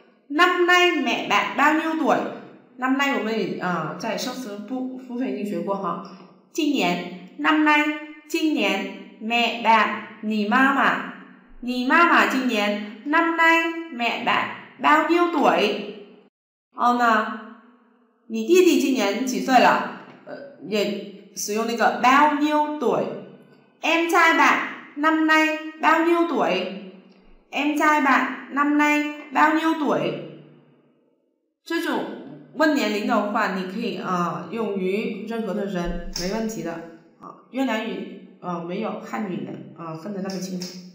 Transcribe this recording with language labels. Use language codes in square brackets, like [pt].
[vi] năm nay mẹ bạn bao nhiêu tuổi？ năm nay [zh] 我们在生词部分已经学过哈，今年。 [vi] năm nay [zh] 今年， [vi] mẹ bạn [zh] 你妈妈，你妈妈今年， [vi] năm nay mẹ bạn bao nhiêu tuổi？ [zh] 然后呢，你弟弟今年几岁了？也使用那个 [vi] bao nhiêu tuổi。 em trai bạn năm nay bao nhiêu tuổi？em trai bạn năm nay bao nhiêu tuổi？ [zh] 这种问年龄的话，你可以用于任何的人，没问题的。越南语没有汉语的分得那么清楚。